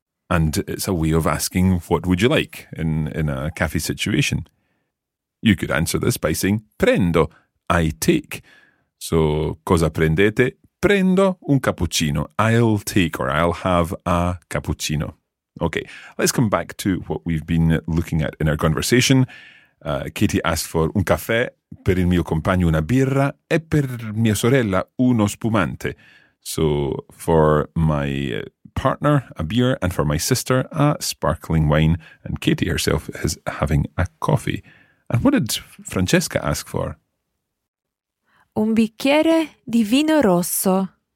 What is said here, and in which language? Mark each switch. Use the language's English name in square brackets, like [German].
[English] And it's a way of asking, what would you like in a cafe situation? You could answer this by saying, prendo, I take. [Italian] So, cosa prendete? Prendo un cappuccino. [English] I'll take or I'll have a cappuccino. Okay, let's come back to what we've been looking at in our conversation. Katie asked for [Italian] un caffè, per il mio compagno una birra e per mia sorella uno spumante. [English] So, for my partner, a beer, and for my sister, a sparkling wine, and Katie herself is having a coffee. And what did Francesca ask for? [Italian] Un bicchiere di vino rosso.